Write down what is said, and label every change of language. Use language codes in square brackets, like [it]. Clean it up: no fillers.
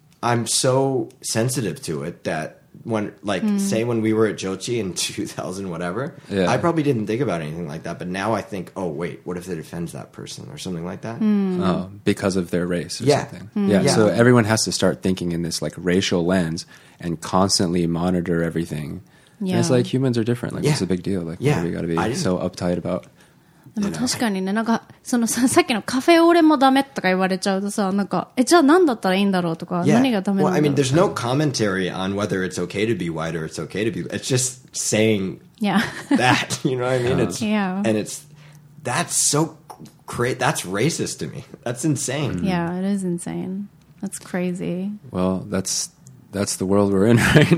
[en] I'm so sensitive to it that when, like, say when we were at Jochi in 2000, whatever, I probably didn't think about anything like that. But now I think, oh, wait, what if it offends that person or something like that? Mm. Oh, because of their race or something. Yeah. So everyone has to start thinking in this, like, racial lens and constantly monitor everything. Yeah. And it's like humans are different. Like, it's a big deal. Like, what do we got to be so uptight about? [ja] でも確かにね、なんかそのさっきのカフェオレもダメとか言われちゃうとさ、なんかえじゃあ何だったらいいんだろうとか、何がダメなんだろう。 [en] Well, I mean, there's no commentary on whether it's okay to be white or it's okay to be. It's just saying that. You know what I mean? And it's that's so crazy. That's racist to me. That's insane. Yeah, it is insane. That's crazy. Well, that's the world we're in right now.